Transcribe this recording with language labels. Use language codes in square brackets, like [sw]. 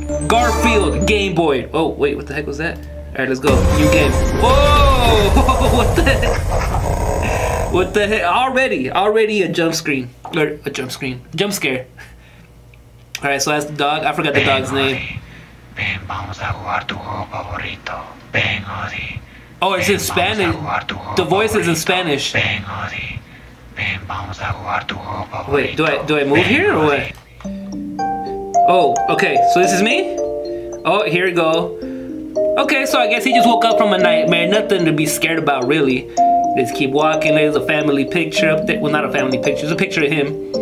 [en] Garfield Gameboy'd. Oh, wait, what the heck was that? All right, let's go, new game. Whoa, what the heck? What the heck? Already a jump screen. Or a jump screen. Jump scare. All right, so that's the dog. I forgot the ben dog's name. [es] Ben, vamos a jugar tu juego favorito. Ben, [en] oh, it's in Spanish. The voice is in Spanish. [es] Ben, ben, vamos a jugar tu juego favorito. [en] Wait, do I move ben here or what? Oh, okay. So this is me? Oh, here we go. Okay, so I guess he just woke up from a nightmare. Nothing to be scared about, really. Let's keep walking. There's a family picture up there. Well, not a family picture. It's a picture of him.